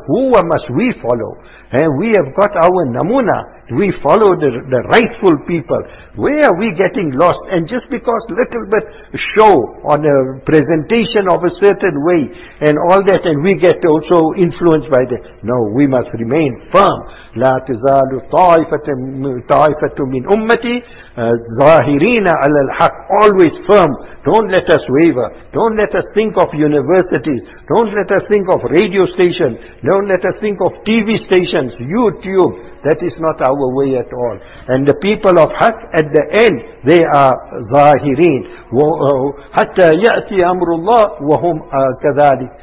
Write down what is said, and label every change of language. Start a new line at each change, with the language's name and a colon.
English: Who must we follow? And we have got our namuna. We follow the rightful people. Where are we getting lost? And just because little bit show on a presentation of a certain way and all that, and we get also influenced by that. No, we must remain firm.
Arabic: لا تزال طائفة من أمتي ظاهرين على الحق.
English: Always firm. Don't let us waver. Don't let us think of universities. Don't let us think of radio stations. Don't let us think of TV stations, YouTube. That is not our way at all. And the people of Haq, at the end, they are ظاهرين.
Arabic: حَتَّى يَأْتِيَ أَمْرُ اللَّهِ وَهُمْ كَذَلِكَ.